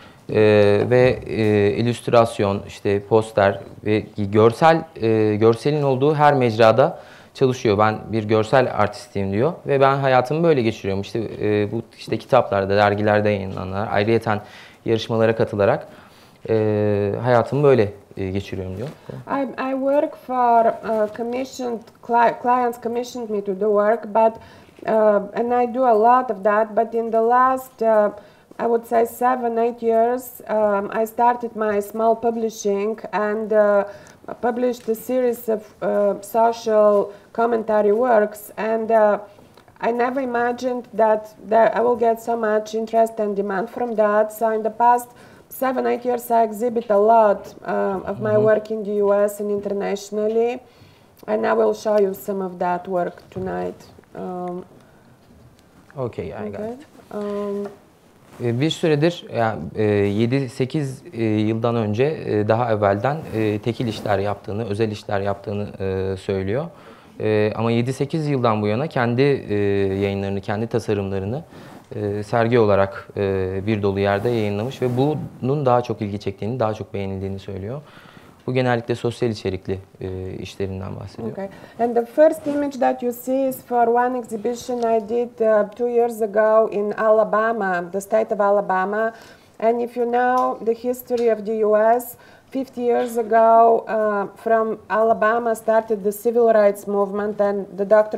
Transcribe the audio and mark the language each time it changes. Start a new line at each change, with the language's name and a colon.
Turkish: Ve illüstrasyon, işte poster ve görsel, görselin olduğu her mecrada çalışıyor. Ben bir görsel artistiyim diyor ve ben hayatımı böyle geçiriyorum. İşte bu işte kitaplarda, dergilerde yayınlanan, ayrıyeten yarışmalara katılarak hayatımı böyle geçiriyorum diyor.
English: I work for commissioned clients commissioned me to do work, but and I do a lot of that, but in the last I would say 7-8 years, I started my small publishing and published a series of social commentary works, and I never imagined that I will get so much interest and demand from that. So in the past 7-8 years, I exhibit a lot of my work in the US and internationally, and I will show you some of that work tonight. Okay, I got it.
Turkish: Bir süredir, yani 7-8 yıldan önce, daha evvelden tekil işler yaptığını, özel işler yaptığını söylüyor. Ama 7-8 yıldan bu yana kendi yayınlarını, kendi tasarımlarını sergi olarak bir dolu yerde yayınlamış ve bunun daha çok ilgi çektiğini, daha çok beğenildiğini söylüyor. Bu genellikle sosyal içerikli işlerinden bahsediyor.
English: Okay. And the first image that you see is for one exhibition I did 2 years ago in Alabama, the state of Alabama. And if you know the history of the US, 50 years ago from Alabama started the civil rights movement, and the Dr.